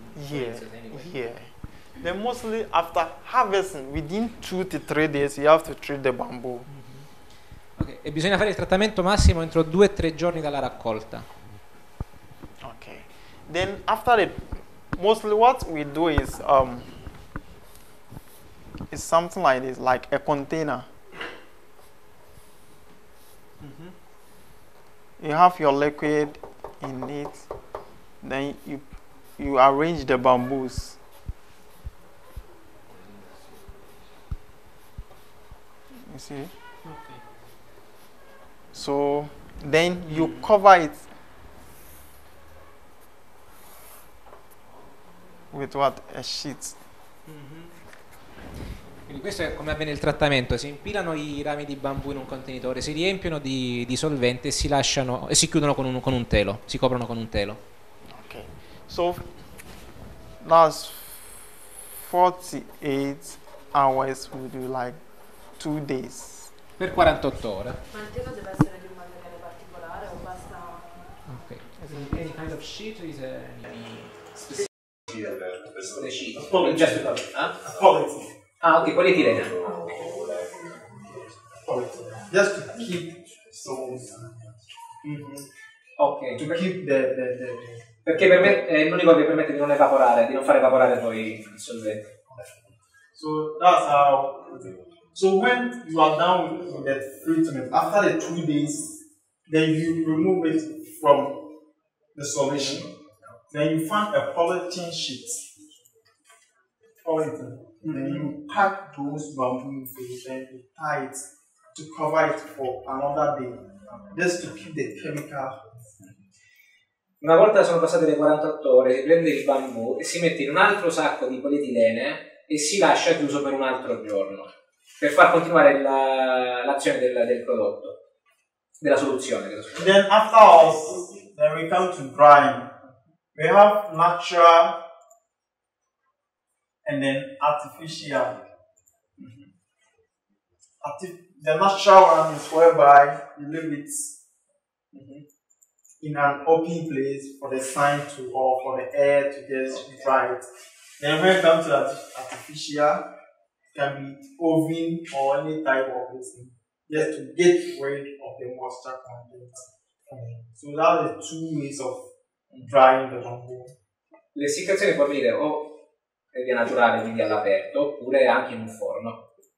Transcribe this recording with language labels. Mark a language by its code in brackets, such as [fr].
[en] Then mostly after harvesting, within 2 to 3 days, you have to treat the bamboo. Okay. [it] E bisogna fare il trattamento massimo entro 2 o 3 giorni dalla raccolta. [en] Okay. Then after it, mostly what we do is it's something like this, like a container. You have your liquid in it, then you arrange the bamboos. See, okay. So then you cover it with what, a sheet. [it] Quindi questo è come avviene il trattamento: si impilano i rami di bambù in un contenitore, si riempiono di solvente e si lasciano e si chiudono con un telo, si coprono con un telo. [en] Ok, so last 48 hours would you like 2 days. [it] Per 48 ore. Ma il telo deve essere di un materiale particolare o basta? Ok. [en] Any kind of sheet is specific [it] per questo sheet. Ok, quali tire? [en] Just to keep stones. Ok. To keep the [it] perché per me è l'unico che permette di non evaporare, di non far evaporare poi il solvente. [en] So that's how. So when you are done with that treatment, after the 2 days, then you remove it from the solution. Then you find a polythene sheet. Polythene. Then you pack those bamboo things and you tie it to cover it for another day. Just to keep the chemical. [it] Una volta sono passate le 48 ore, si prende il bambù e si mette in un altro sacco di polietilene e si lascia chiuso per un altro giorno. Per far continuare l'azione del prodotto, della soluzione. [en] Then after all, then we come to drying. We have natural and then artificial. The natural one is whereby you leave it in an open place for the sun to or for the air to just dry it. Then when you come to artificial, can be oven or any type of thing, just to get rid of the moisture content. So that are the 2 ways of drying the bamboo. [it] L'essiccazione può venire o in via naturale, quindi all'aperto, oppure anche in un forno.